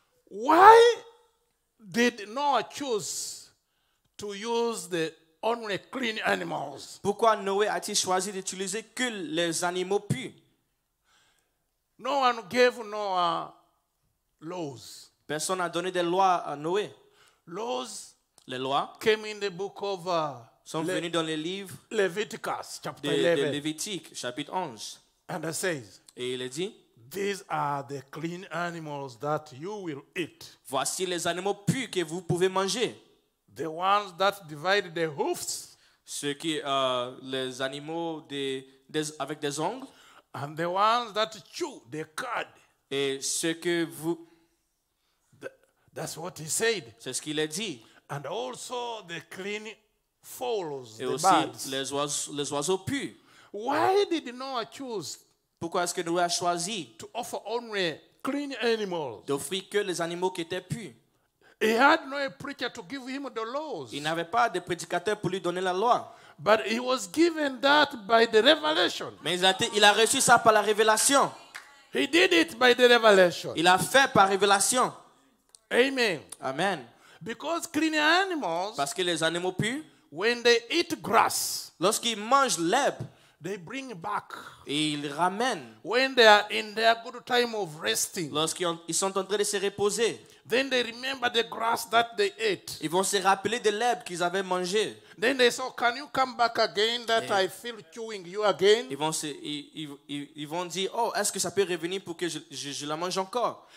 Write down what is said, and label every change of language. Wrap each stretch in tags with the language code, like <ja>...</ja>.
<en>Why did Noah choose to use the only clean animals?</en> <fr>Pourquoi Noé a-t-il choisi d'utiliser que les animaux purs?</fr> <en>No one gave Noah laws.</en> <fr>Personne n'a donné des lois à Noé.</fr> <en>Laws,</en> <fr>les lois,</fr> <en>came in the book of</en> <fr>sont venus dans les livres</fr> <en>Leviticus chapter 11.</en> <fr>De Lévitique chapitre 11.</fr> <en>And it says.</en> <fr>Et il dit.</fr> <en>These are the clean animals that you will eat.</en> <fr>Voici les animaux purs que vous pouvez manger.</fr> <en>The ones that divide the hoofs.</en> <fr>Ceux qui les animaux des avec des ongles.</fr> <en>And the ones that chew the cud.</en> <fr>Et ceux que vous.</fr> <en>That's what he said.</en> <fr>C'est ce qu'il a dit.</fr> <en>And also the clean fowls,</en> <fr>et</fr> <en>the</en> <fr>aussi</fr> <en>birds.</en> <fr>Les oiseaux purs.</fr> <en>Why did Noah choose?</en> <fr>Pourquoi est-ce que Noé a choisi</fr> <en>to offer only clean animals.</en> <fr>D'offrir que les animaux qui étaient purs?</fr> <en>He had no preacher to give him the laws.</en> <fr>Il n'avait pas de prédicateur pour lui donner la loi.</fr> <en>But he was given that by the revelation.</en> <fr>Mais il a reçu ça par la révélation.</fr> <en>He did it by the revelation.</en> <fr>Il a fait par révélation.</fr> <en>Amen.</en> <fr>Amen.</fr> <en>Because clean animals,</en> <fr>parce que les animaux purs,</fr> <en>when they eat grass,</en> <fr>lorsqu'ils mangent l'herbe,</fr> <en>they bring back.</en> <fr>Ils ramènent.</fr> <en>When they are in their good time of resting.</en> <fr>Lorsqu'ils sont en train de se reposer.</fr> <en>Then they remember the grass that they ate.</en> <fr>Ils vont se rappeler de l'herbe qu'ils avaient mangé.</fr> <en>Then they say, can you come back again that I feel chewing you again?</en> <fr>Ils vont dire, oh, est-ce que ça peut revenir pour que je la mange encore?</fr>